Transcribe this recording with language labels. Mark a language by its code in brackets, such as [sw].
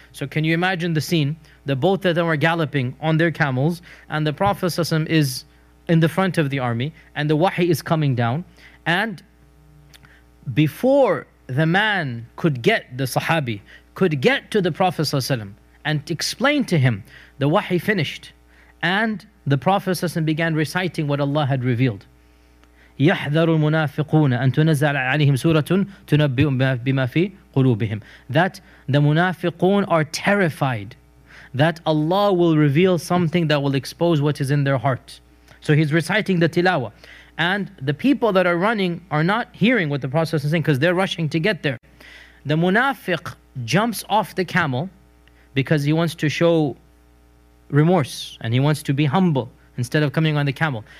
[en] So can you imagine the scene? The both of them are galloping on their camels, and the Prophet ﷺ is in the front of the army, and the wahi is coming down. And before the man could get, the Sahabi could get to the Prophet ﷺ and explain to him, the wahi finished, and the Prophet ﷺ began reciting what Allah had revealed. [ar] يحذر المنافقون أن تنزل عليهم سورة تنبئ بما في قلوبهم. [en] That the munafiqun are terrified that Allah will reveal something that will expose what is in their heart. So he's reciting the tilawa. And the people that are running are not hearing what the Prophet is saying because they're rushing to get there. The munafiq jumps off the camel because he wants to show remorse and he wants to be humble instead of coming on the camel.